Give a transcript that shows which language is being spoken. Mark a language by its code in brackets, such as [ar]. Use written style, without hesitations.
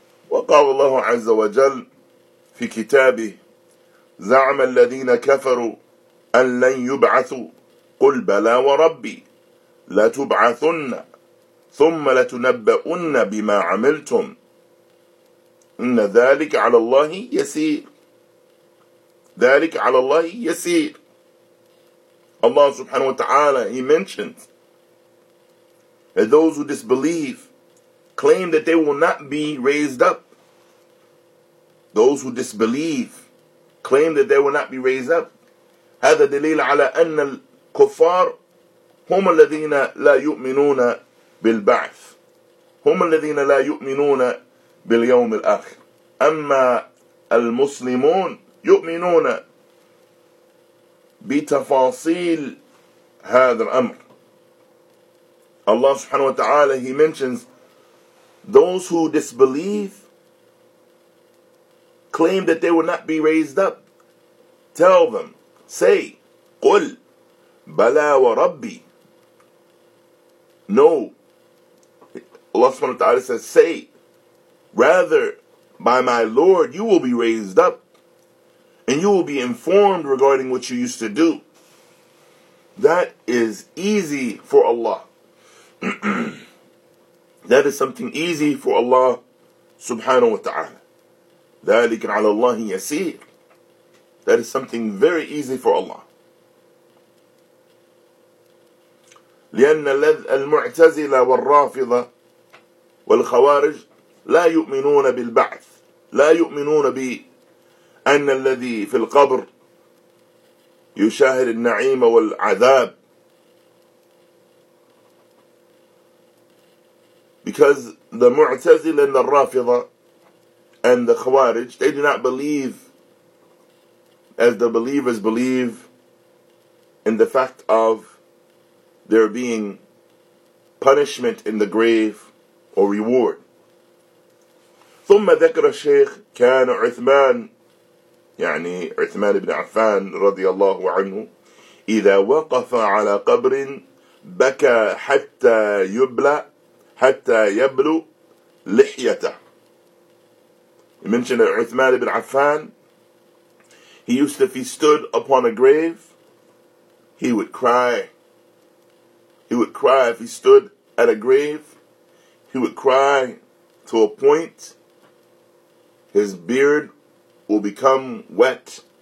[ar] وَقَالَ اللَّهُ عَزَّ وَجَلَّ فِي كِتَابِهِ زَعَمَ الَّذِينَ كَفَرُوا أَن لَّن يُبْعَثُوا قُلْ بَلَى وَرَبِّي لَتُبْعَثُنَّ ثُمَّ لَتُنَبَّؤُنَّ بِمَا عَمِلْتُمْ إِنَّ ذَلِكَ عَلَى اللَّهِ يَسِيرٌ ذَلِكَ عَلَى اللَّهِ يَسِيرٌ. [en] Allah subhanahu wa ta'ala, He mentions that those who disbelieve claim that they will not be raised up. Those who disbelieve claim that they will not be raised up. [ar] هذا دليل على أن الكفار هم الذين لا يؤمنون بالبعث هم الذين لا يؤمنون باليوم الآخر أما المسلمون يؤمنون بتفاصيل هذا الأمر. [en] Allah subhanahu wa ta'ala, He mentions, those who disbelieve claim that they will not be raised up. Tell them, say, [ar] قل بلى وربي. [en] No. Allah subhanahu wa ta'ala says, say, rather, by my Lord, you will be raised up. And you will be informed regarding what you used to do. That is easy for Allah. That is something easy for Allah subhanahu wa ta'ala. [ar] ذَلِكَ عَلَى اللَّهِ يَسِيرٌ. [en] That is something very easy for Allah. [ar] لأن المعتزلة والرافضة والخوارج لا يؤمنون بالبعث، لا يؤمنون بأن الذي في القبر يشاهد النعيم والعذاب. [en] Because the Mu'tazil and the Rafida and the Khawarij, they do not believe as the believers believe in the fact of there being punishment in the grave or reward. [ar] ثم ذكر الشيخ كان عثمان يعني عثمان بن عفان رضي الله عنه إذا وقف على قبر بكى حتى يبلى حتى يبلو لحيته. [en] He mentioned that Uthman ibn Affan, he used to, if he stood upon a grave, he would cry. He would cry if he stood at a grave, he would cry to a point his beard will become wet.